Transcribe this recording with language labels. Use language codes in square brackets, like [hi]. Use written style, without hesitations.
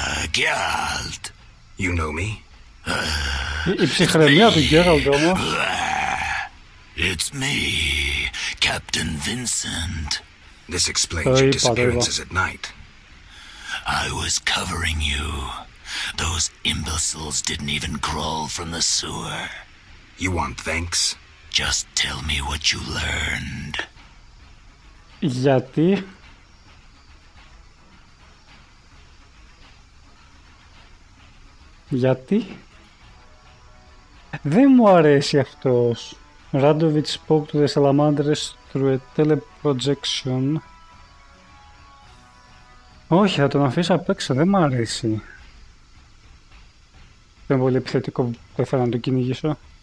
[en] Γκέραλτ, you know me. [el] Η ψυχραιμία του Γκέραλτ όμως. [en] It's me, Captain Vincent. This explains your disappearances at night. I was covering you. Those imbeciles didn't even crawl from the sewer. You want thanks? Just tell me what you learned. [el] Γιατί? Γιατί? Δεν μου αρέσει αυτός. [en] Radovich spoke to the salamanders through a teleprojection. [el] Όχι, θα τον αφήσω απ' έξω, δεν μ' αρέσει. Δεν είναι πολύ επιθετικό που δεν θέλω να τον κυνηγήσω.